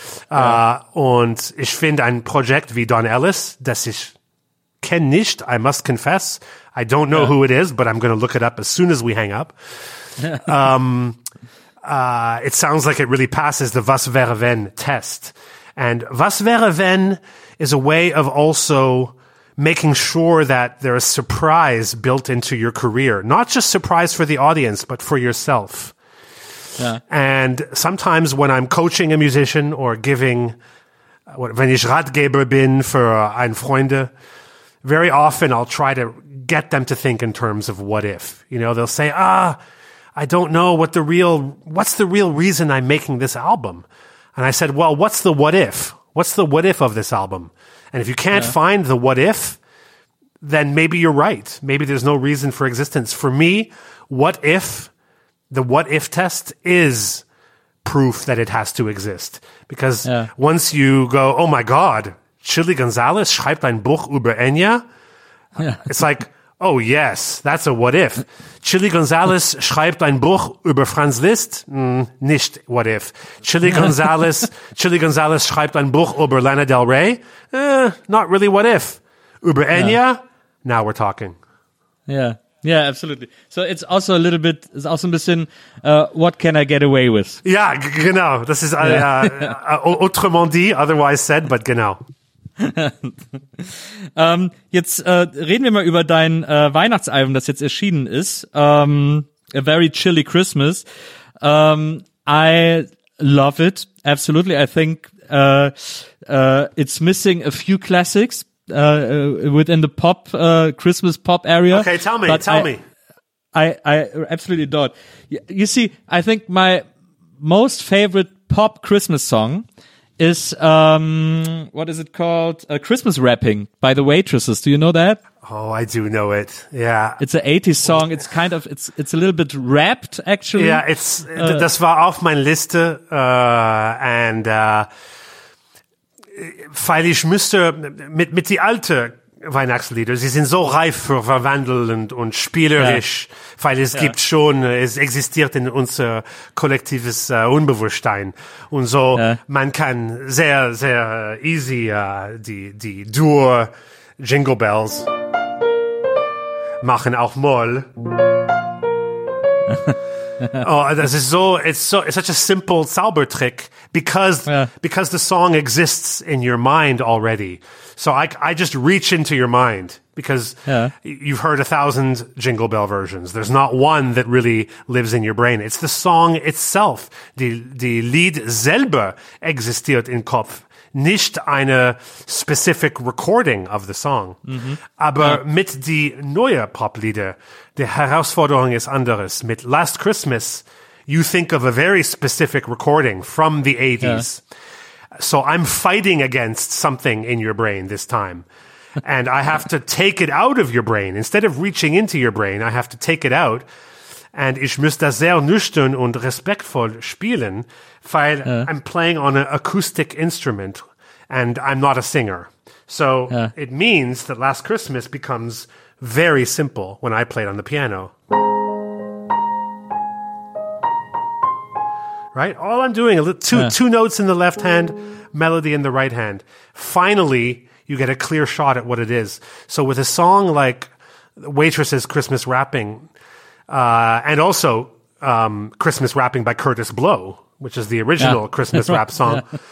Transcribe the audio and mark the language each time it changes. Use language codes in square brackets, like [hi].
[de] Und ich finde ein Projekt wie Don Ellis, das ich kenne nicht, [en] I must confess. I don't know who it is, but I'm going to look it up as soon as we hang up. it sounds like it really passes the [de] was wäre wenn [en] test. And was wäre wenn is a way of also making sure that there is surprise built into your career. Not just surprise for the audience, but for yourself. Yeah. And sometimes when I'm coaching a musician or giving, [de] wenn ich Ratgeber bin für ein Freunde, [en] very often I'll try to get them to think in terms of what if. You know, they'll say, I don't know what's the real reason I'm making this album? And I said, well, what's the what if? What's the what if of this album? And if you can't find the what if, then maybe you're right. Maybe there's no reason for existence. For me, what if, the what if test is proof that it has to exist. Because once you go, oh my God, [de] Chili Gonzalez schreibt ein Buch über Enya. [en] Yeah. It's like, oh yes, that's a what if. [de] Chili Gonzalez schreibt ein Buch über Franz Liszt? Nicht [en] what if. [de] Chili Gonzalez schreibt ein Buch über Lana Del Rey? [en] Not really what if. [de] Über Enya? [en] Yeah. Now we're talking. Yeah, absolutely. So it's also [de] ein bisschen [en] what can I get away with? [de] Ja, genau. Das ist [fr] autrement dit, [en] otherwise said, but [de] genau. jetzt reden wir mal über dein Weihnachtsalbum, das jetzt erschienen ist. [en] A Very Chilly Christmas. I love it. Absolutely. I think it's missing a few classics. within the pop, Christmas pop area. Okay, tell me. I absolutely don't. You see, I think my most favorite pop Christmas song is, what is it called? Christmas Rapping by The Waitresses. Do you know that? Oh, I do know it. Yeah. It's an 80s song. It's kind of, it's a little bit rapped, actually. Yeah, it's, [de] das war auf meiner Liste, and, weil ich müsste mit die alte Weihnachtslieder, sie sind so reif für Verwandel und spielerisch, ja. Weil es ja. gibt schon, es existiert in unser kollektives Unbewusstsein. Und so, ja. Man kann sehr, sehr easy die Dur Jingle Bells machen, auch Moll. Oh, das ist so, [en] it's such a simple Zaubertrick, because the song exists in your mind already. So I just reach into your mind, because you've heard 1,000 Jingle Bell versions. There's not one that really lives in your brain. It's the song itself. [de] Die Lied selber existiert im Kopf, nicht eine [en] specific recording of the song. [de] Mm-hmm. Aber mit die neue Poplieder, die Herausforderung ist anderes. [en] Mit Last Christmas, you think of a very specific recording from the 80s. Yeah. So I'm fighting against something in your brain this time. And I have to take it out of your brain. Instead of reaching into your brain, I have to take it out. And [de] ich muss das sehr nüchtern und respektvoll spielen, weil [en] I'm playing on an acoustic instrument and I'm not a singer. So it means that Last Christmas becomes very simple when I played on the piano. Right? All I'm doing, two notes in the left hand, melody in the right hand. Finally, you get a clear shot at what it is. So with a song like Waitress's Christmas Rapping, and also Christmas Rapping by Curtis Blow, which is the original Christmas rap song.